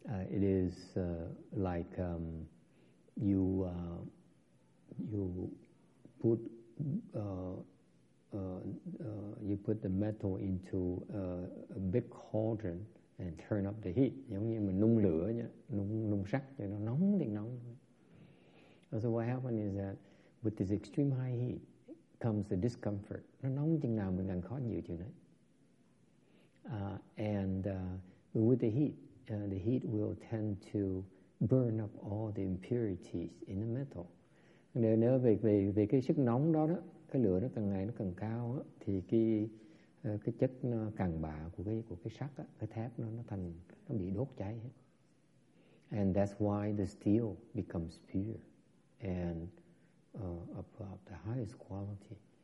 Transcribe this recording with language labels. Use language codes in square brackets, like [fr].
[en] It is like you put the metal into a big cauldron and turn up the heat. [vi] Giống như mình nung lửa nhá, nung sắt cho nó nóng thì nóng. [en] So what happens is that with this extreme high heat comes the discomfort. [vi] Nó nóng chừng nào mình càng khó chịu chừng đấy. [en] And with the heat will tend to burn up all the impurities in the metal. [vi] Nếu về cái sức nóng đó. Cái lửa nó càng ngày nó càng cao á, thì cái chất nó càng bạ của cái sắt á, cái thép nó bị đốt cháy hết. [en] And that's why the steel becomes pure and of the highest quality.